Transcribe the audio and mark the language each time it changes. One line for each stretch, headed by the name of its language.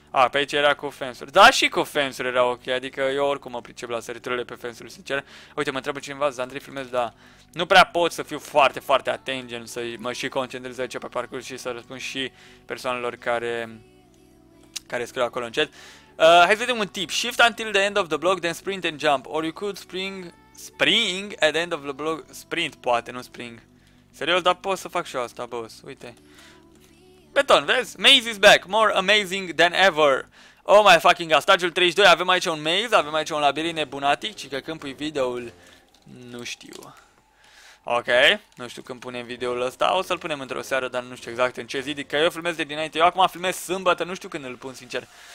Romanian: Pe aici era cu fence-uri. Da, și cu fence-uri era ok, adică eu oricum mă pricep la săriturile pe fence-uri, sincer. Uite, mă întreabă cineva, Zandrei, filmez, da. Nu prea pot să fiu foarte, foarte attention, să mă și concentrez aici pe parcurs și să răspund și persoanelor care scriu acolo încet. Hai să vedem un tip.
English: Shift until the end of the block, then sprint and jump. Or you could spring at the end of the block.
Romanian: Sprint, poate, nu spring. Serios, dar pot să fac și eu asta, boss, uite. Beton, vezi?
English: Maze is back, more amazing than ever. Oh my fucking god,
Romanian: stagiul 32, avem aici un maze, avem aici un labirin nebunatic, ci că când pui videoul, nu știu. Ok, nu știu când punem videoul ăsta, o să-l punem într-o seară, dar nu știu exact în ce zi, că eu filmez de dinainte, eu acum filmez sâmbătă, nu știu când îl pun, sincer.